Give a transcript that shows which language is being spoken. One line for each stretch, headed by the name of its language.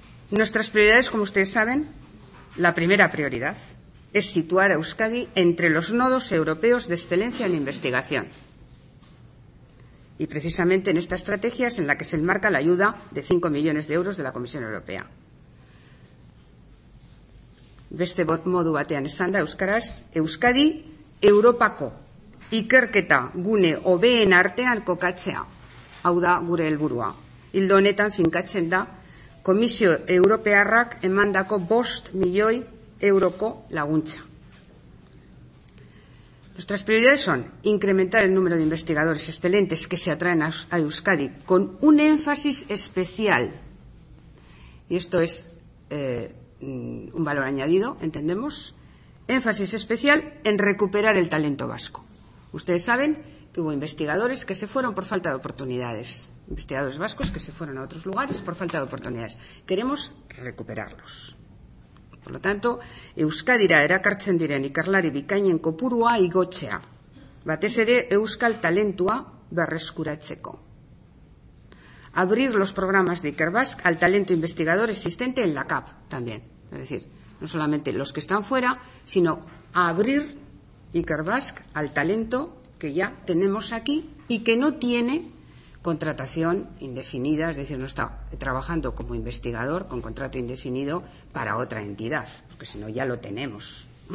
Spanish: Nuestras prioridades, como ustedes saben, la primera prioridad es situar a Euskadi entre los nodos europeos de excelencia en investigación. Y precisamente en esta estrategia es en la que se enmarca la ayuda de 5 millones de euros de la Comisión Europea.
Basque: Beste modu batean esanda, euskaraz, Euskadi Europako ikerketa gune hobeen artean kokatzea. Hau da gure helburua. Ildo honetan finkatzen da Komisio Europearrak emandako 5 milioi euroko laguntza.
Spanish: Nuestras prioridades son incrementar el número de investigadores excelentes que se atraen a Euskadi con un énfasis especial, y esto es un valor añadido, entendemos, énfasis especial en recuperar el talento vasco. Ustedes saben que hubo investigadores que se fueron por falta de oportunidades, investigadores vascos que se fueron a otros lugares por falta de oportunidades. Queremos recuperarlos. Por lo tanto,
Basque: Euskadira erakartzen diren ikerlari bikainen kopurua igotzea, batez ere euskal talentua berreskuratzeko.
Spanish: Abrir los programas de Ikerbasque al talento investigador existente en la CAP también. Es decir, no solamente los que están fuera, sino abrir Ikerbasque al talento que ya tenemos aquí y que no tiene contratación indefinida, es decir, no está trabajando como investigador con contrato indefinido para otra entidad, porque si no ya lo tenemos.